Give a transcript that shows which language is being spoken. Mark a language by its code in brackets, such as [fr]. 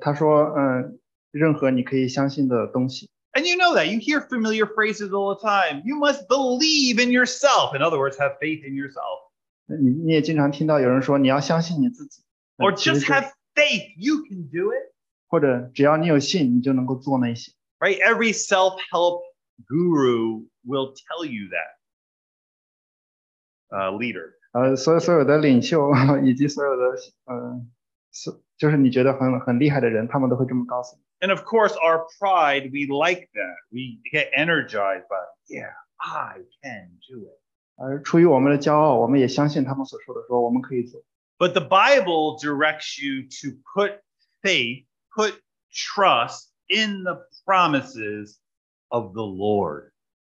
[zh] 他说任何你可以相信的东西。 [en] And you know that. You hear familiar phrases all the time. You must believe in yourself. In other words, have faith in yourself. [zh] 你也经常听到有人说你要相信你自己。 [en] Or just have faith. You can do it. [zh] 或者只要你有信，你就能够做那些。 [en] Right? Every self-help guru will tell you that. Leader. [zh] 所有的领袖以及所有的就是你觉得很厉害的人，他们都会这么告诉你。 [en] And of course, our pride, we like that. We get energized by, I can do it. [zh] 而出于我们的骄傲，我们也相信他们所说的说我们可以做。 [en] But the Bible directs you to put faith, put trust in the promises of the Lord.